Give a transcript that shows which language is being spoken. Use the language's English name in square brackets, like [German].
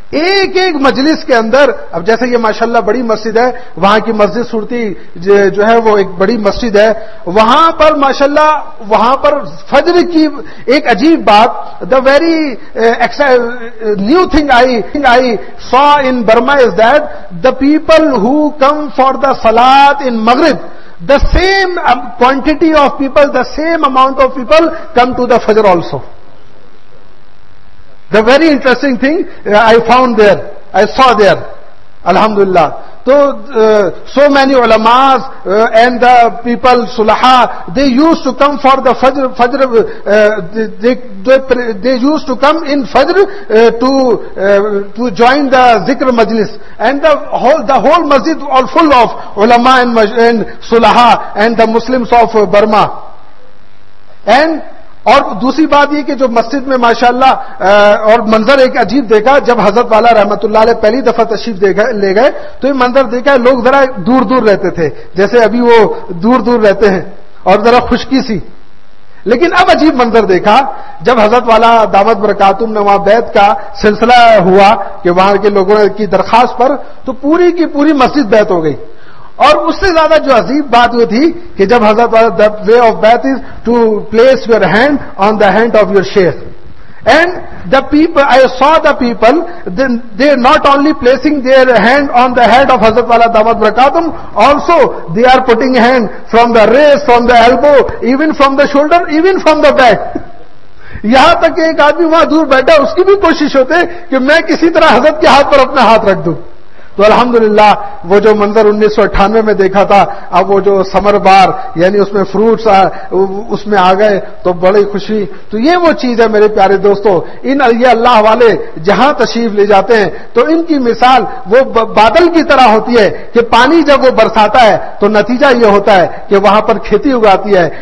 [Urdu] ایک ایک مجلس کے اندر, اب جیسے یہ ماشاءاللہ بڑی مسجد ہے, وہاں کی مسجد صورتی جو ہے وہ ایک بڑی مسجد ہے, وہاں پر ماشاءاللہ وہاں پر فجر کی ایک عجیب بات, [English] the very new thing I saw in Burma is that the people who come for the salat in Maghrib, the same quantity of people, the same amount of people come to the fajr also. The very interesting thing I saw there, alhamdulillah. So many ulamas and the people, sulaha, they used to come for the fajr, they used to come in fajr to join the zikr majlis, and the whole masjid all full of ulama and sulaha and the Muslims of Burma. [Urdu] And اور دوسری بات یہ کہ جو مسجد میں ماشاءاللہ اور منظر ایک عجیب دیکھا, جب حضرت والا رحمت اللہ علیہ پہلی دفعہ تشریف لے گئے تو یہ منظر دیکھا, لوگ ذرا دور دور رہتے تھے جیسے ابھی وہ دور دور رہتے ہیں اور ذرا خشکی سی, لیکن اب عجیب منظر دیکھا جب حضرت والا دعوت برکاتم نے وہاں بیعت کا سلسلہ ہوا کہ وہاں کے لوگوں کی درخواست پر تو پوری کی پوری مسجد بیعت ہو گئی. اور اس سے زیادہ جو عجیب بات وہ تھی کہ جب حضرت والا, [English] the way of bath is to place your hand on the hand of your sheikh, and the people, I saw the people, they not only placing their hand on the head of Hazrat Wala Damat Barakatum, also they are putting hand from the wrist, from the elbow, even from the shoulder, even from the back. [Urdu] یہاں تک کہ ایک آدمی وہاں دور بیٹھا اس کی بھی کوشش ہوتے کہ میں کسی طرح حضرت کے ہاتھ پر اپنا ہاتھ رکھ دوں. تو الحمدللہ وہ جو منظر 1998 میں دیکھا تھا, اب وہ جو سمر بار یعنی اس میں فروٹس اس میں آ گئے تو بڑی خوشی. تو یہ وہ چیز ہے میرے پیارے دوستو, ان یہ اللہ والے جہاں تشریف لے جاتے ہیں تو ان کی مثال وہ بادل کی طرح ہوتی ہے کہ پانی جب وہ برساتا ہے تو نتیجہ یہ ہوتا ہے کہ وہاں پر کھیتی اگاتی ہے.